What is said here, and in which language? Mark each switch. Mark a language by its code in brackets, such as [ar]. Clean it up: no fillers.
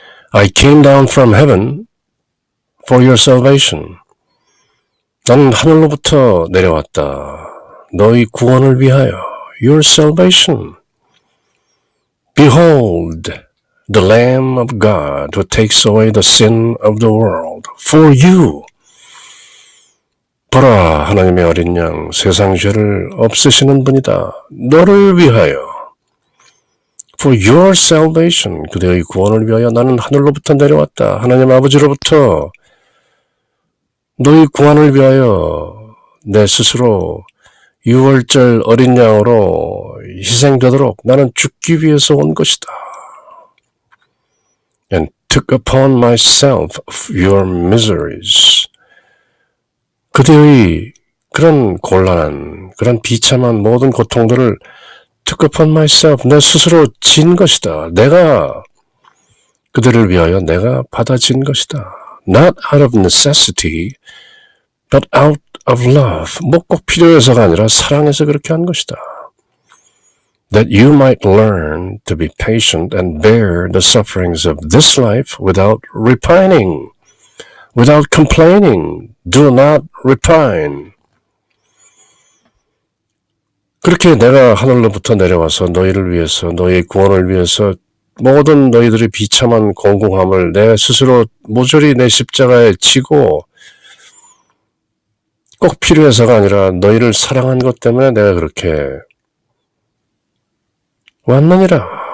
[en] I came down from heaven for your salvation. [ko] 나는 하늘로부터 내려왔다. 너희 구원을 위하여. [en] Your salvation. Behold, the Lamb of God who takes away the sin of the world for you. [ko] 보라, 하나님의 어린 양, 세상 죄를 없으시는 분이다. 너를 위하여. [en] For your salvation, [ko] 그대의 구원을 위하여 나는 하늘로부터 내려왔다. 하나님 아버지로부터 너희 구원을 위하여 내 스스로 유월절 어린 양으로 희생되도록 나는 죽기 위해서 온 것이다. [en] And took upon myself your miseries. [ko] 그대의 그런 곤란한, 그런 비참한 모든 고통들을 [en] took upon myself, [ko] 내 스스로 진 것이다. 내가 그들을 위하여 내가 받아진 것이다. [en] Not out of necessity, but out of love. [ko] 뭐 꼭 필요해서가 아니라 사랑해서 그렇게 한 것이다. [en] That you might learn to be patient and bear the sufferings of this life without repining, without complaining. Do not repine. [ko] 그렇게 내가 하늘로부터 내려와서 너희를 위해서, 너희의 구원을 위해서 모든 너희들의 비참한 공공함을 내 스스로 모조리 내 십자가에 지고 꼭 필요해서가 아니라 너희를 사랑한 것 때문에 내가 그렇게 왔느니라.